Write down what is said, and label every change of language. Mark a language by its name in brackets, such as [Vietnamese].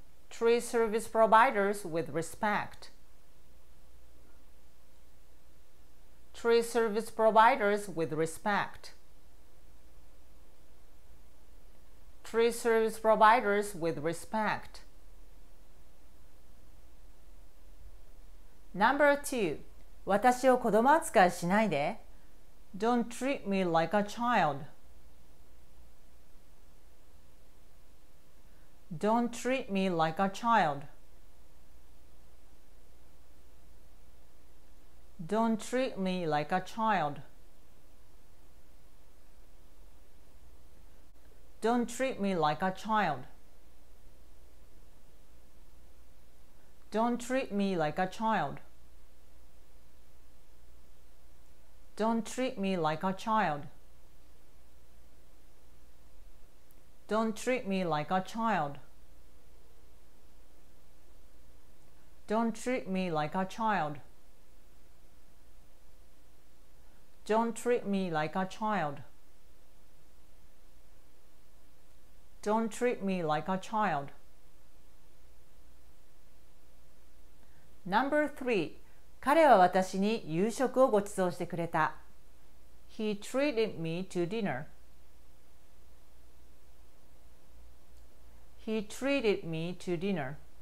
[English] Treat service providers with respect. Treat service providers with respect. Treat service providers with respect. Number 2, [Japanese] 私を子供扱いしないで。 [English] Don't treat me like a child. Don't treat me like a child. Don't treat me like a child. Don't treat me like a child. Don't treat me like a child. Don't treat me like a child. Don't treat me like a child. Don't treat me like a child. Don't treat me like a child. Don't treat me like a child. Number 3, [Japanese] 彼は私に夕食をごちそうしてくれた。 [English] He treated me to dinner. He treated me to dinner.